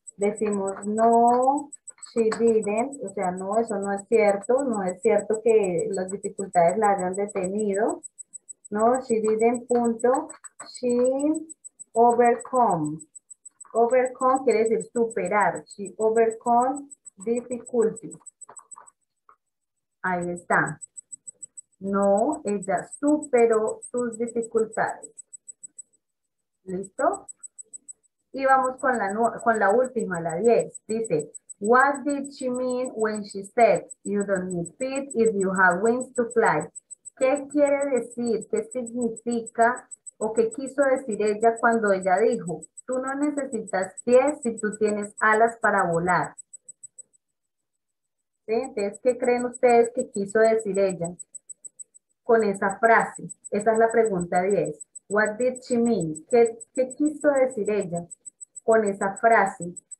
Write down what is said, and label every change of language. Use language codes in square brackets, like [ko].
[es] Decimos no, [en] she didn't, [es] o sea, no, eso no es cierto, no es cierto que las dificultades la hayan detenido, no, she didn't, punto, she overcome, overcome quiere decir superar, [en] she overcome difficulty, [es] ahí está, no, ella superó sus dificultades, ¿listo? Y vamos con la última, la 10, dice, [en] what did she mean when she said, you don't need feet if you have wings to fly? [es] ¿Qué quiere decir? ¿Qué significa? ¿O qué quiso decir ella cuando ella dijo, tú no necesitas pies si tú tienes alas para volar? ¿Sí? Entonces, ¿qué creen ustedes que quiso decir ella con esa frase? Esa es la pregunta 10. [en] What did she mean? [es] ¿Qué quiso decir ella con esa frase?